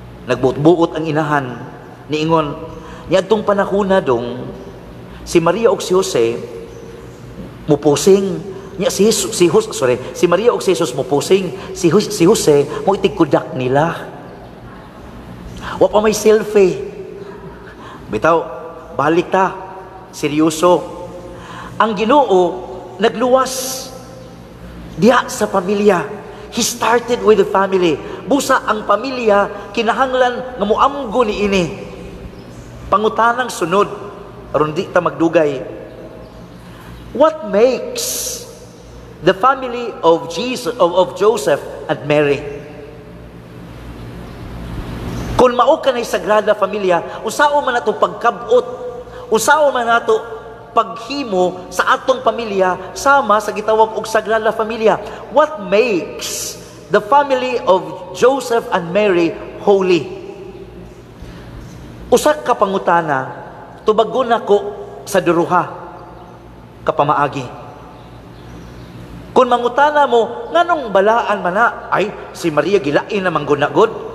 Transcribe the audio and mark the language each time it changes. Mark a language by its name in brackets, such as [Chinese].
[Cebuano] Nagbuot-buot ang inahan, niingon, "Niadtong panahuna dong si Maria og si Jose mupusing, nya si Jesus, si Maria og si Jesus mupusing, si Jose mo itigkudak nila. Wa pa may selfie. Bitaw, balik ta. Seryoso. Ang Ginoo nagluwas diha sa pamilya. [English] He started with the family. [Cebuano] Busa ang pamilya kinahanglan nga muamgo ni ini. Pangutanang sunod, aron di ta magdugay. [English] What makes the family of Jesus of Joseph and Mary? [Cebuano] Kung mao kanay Sagrada Familia, usao man ato pagkabot, usao man ato paghimo sa atong pamilya sama sa gitawag og Sagrada Familia. [English] What makes the family of Joseph and Mary holy? [Cebuano] Usak ka pangutana, tubagon ako sa duruha kapamaagi. Kung mangutana mo, nganong balaan man na, ay, si Maria gilain na manggunagod.